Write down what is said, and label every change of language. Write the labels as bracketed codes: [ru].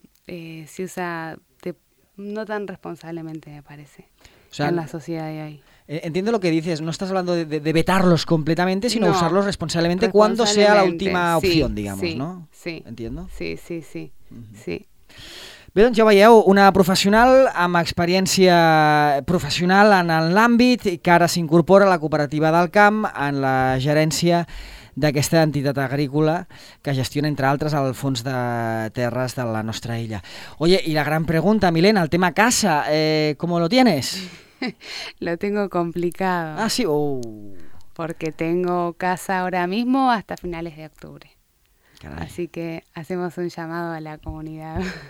[es] Se usa no tan responsablemente, me parece, o sea, en la sociedad de hoy. Entiendo lo que dices, no estás hablando de vetarlos completamente, sino usarlos responsablemente cuando sea la última opción, digamos, sí, ¿no? Sí, ¿entiendo? Sí. Sí. [ca] Bé, doncs ja veieu, una professional amb experiència professional en l'àmbit que ara s'incorpora a la cooperativa del camp en la gerència d'aquesta entitat agrícola que gestiona, entre altres, el fons de terres de la nostra illa. [es] Oye, i la gran pregunta, Milena, el tema casa, ¿cómo lo tienes? Lo tengo complicado. Ah, sí. Oh. Porque tengo casa ahora mismo hasta finales de octubre. Caray. Así que hacemos un llamado a la comunidad.